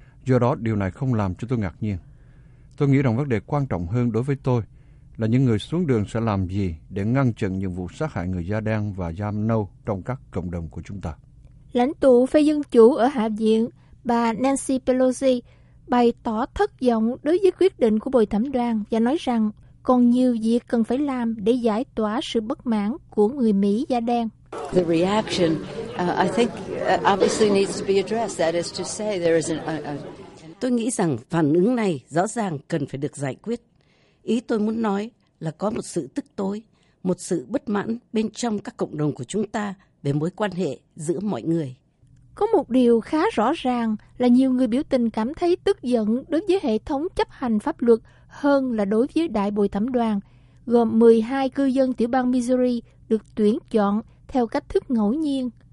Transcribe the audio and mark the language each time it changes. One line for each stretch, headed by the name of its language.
Vietnamese: Do đó, điều này không làm cho tôi ngạc nhiên. Tôi nghĩ rằng vấn đề quan trọng hơn đối với tôi là những người xuống đường sẽ làm gì để ngăn chặn những vụ sát hại người da đen và da nâu trong các cộng đồng của chúng ta. Lãnh tụ phe Dân Chủ ở Hạ Viện, bà Nancy Pelosi, bày tỏ thất vọng đối với quyết định của bồi thẩm đoàn và nói rằng còn nhiều việc cần phải làm để giải tỏa sự bất mãn của người Mỹ da đen.
English: The reaction, I think, obviously needs to be addressed. That is to say, there is an.
Vietnamese: Tôi nghĩ rằng phản ứng này rõ ràng cần phải được giải quyết. Ý tôi muốn nói là có một sự tức tối, một sự bất mãn bên trong các cộng đồng của chúng ta về mối quan hệ giữa mọi người. Có một điều khá rõ ràng là nhiều người biểu tình cảm thấy tức giận đối với hệ thống chấp hành pháp luật hơn là đối với đại bồi thẩm đoàn, gồm 12 cư dân tiểu bang Missouri được tuyển chọn theo cách thức ngẫu nhiên.